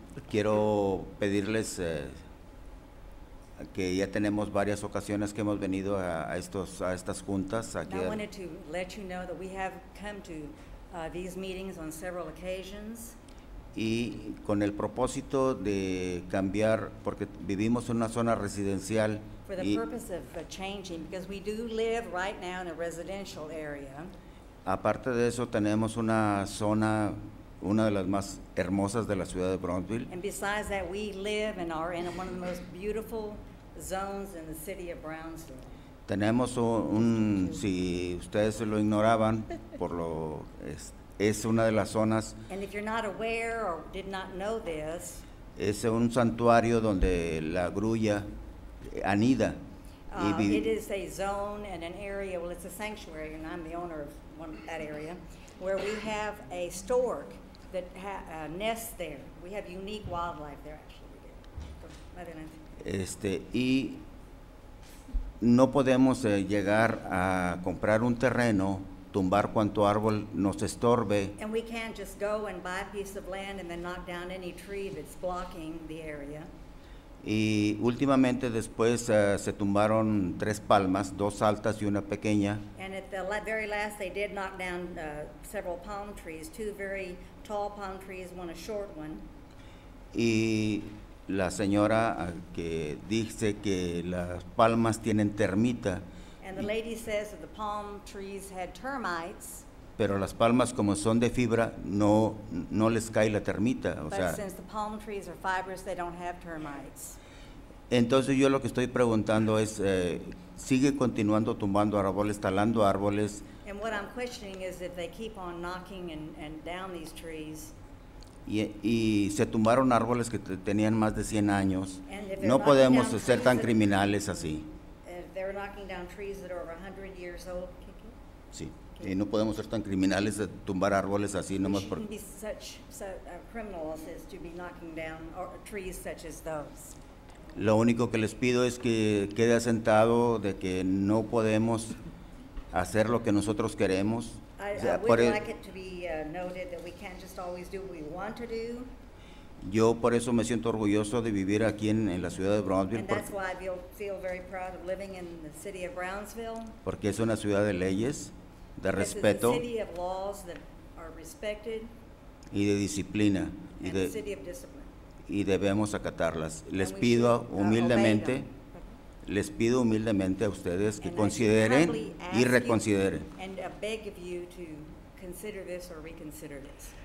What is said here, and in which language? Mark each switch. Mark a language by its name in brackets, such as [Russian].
[Spanish] Quiero pedirles que ya tenemos varias ocasiones que hemos venido a estas juntas. [English] I wanted to let you know that we have come to these meetings on several occasions. [Spanish] Y con el propósito de cambiar, porque vivimos en una zona residencial. [English] For the purpose of changing, because we do live right now in a residential area. [Spanish] Aparte de eso, tenemos una zona una de las más hermosas de la ciudad de Brownsville. [English] And besides that, we live and are in one of the most beautiful zones in the city of Brownsville. [Spanish] Tenemos un, si ustedes lo ignoraban, por lo, es una de las zonas. [English] And if you're not aware or did not know this. [Spanish] Es un santuario donde la grulla anida. [English] It is a zone and an area, well, it's a sanctuary, and I'm the owner of one, that area, where we have a stork that nests there. We have unique wildlife there, actually. [Spanish] Y no podemos llegar a comprar un terreno, tumbar cuanto árbol nos estorbe. [English] And we can't just go and buy a piece of land and then knock down any tree that's blocking the area. [Spanish] Y últimamente después se tumbaron tres palmas, dos altas y una pequeña. [English] And at the very last they did knock down several palm trees, two very tall palm trees, one a short one. [Spanish] Y la señora que dice que las palmas tienen termita. [English] And the lady says that the palm trees had termites. [Spanish] Pero las palmas como son de fibra no les cae la termita, o sea. [English] But since the palm trees are fibrous, they don't have termites. [Spanish] Entonces yo lo que estoy preguntando es, ¿sigue continuando tumbando árboles, talando árboles? [English] And what I'm questioning is if they keep on knocking and down these trees. [Spanish] Y se tumbaron árboles que tenían más de 100 años. No podemos ser tan criminales así. [English] They're knocking down trees that are over 100 years old. [Spanish] Sí. Y no podemos ser tan criminales de tumbar árboles así nomás por. [English] We shouldn't be such criminals as to be knocking down trees such as those. [Spanish] Lo único que les pido es que quede asentado de que no podemos hacer lo que nosotros queremos. [English] I would like it to be noted that we can't just always do what we want to do. [Spanish] Yo por eso me siento orgulloso de vivir aquí en la ciudad de Brownsville. [English] And that's why I feel very proud of living in the city of Brownsville. [Spanish] Porque es una ciudad de leyes, de respeto. [English] It's a city of laws that are respected. [Spanish] Y de disciplina. [English] And [Spanish] y de, [English] a city of discipline. [Spanish] Y debemos acatarlas. Les pido humildemente, les pido humildemente a ustedes que consideren y reconsideren. [English] And I beg of you to consider this or reconsider this.